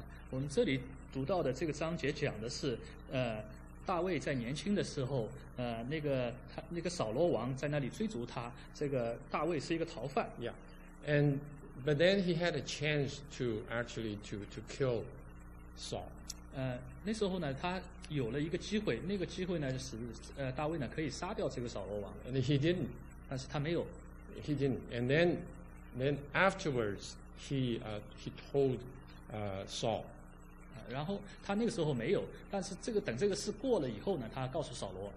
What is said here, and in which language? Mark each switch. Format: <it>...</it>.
<zh>我们这里读到的这个章节讲的是，大卫在年轻的时候，那个扫罗王在那里追逐他，这个大卫是一个逃犯。</zh> <en>Yeah, and but then he had a chance to actually to kill Saul.</en> <zh>那时候呢，他有了一个机会，那个机会呢，就是大卫呢可以杀掉这个扫罗王。</zh> <en>And he didn't.</en> <zh>但是他没有。</zh> <en>He didn't. And then afterwards, he told Saul.</en> <zh>然后他那个时候没有，但是这个等这个事过了以后呢，他告诉扫罗。</zh>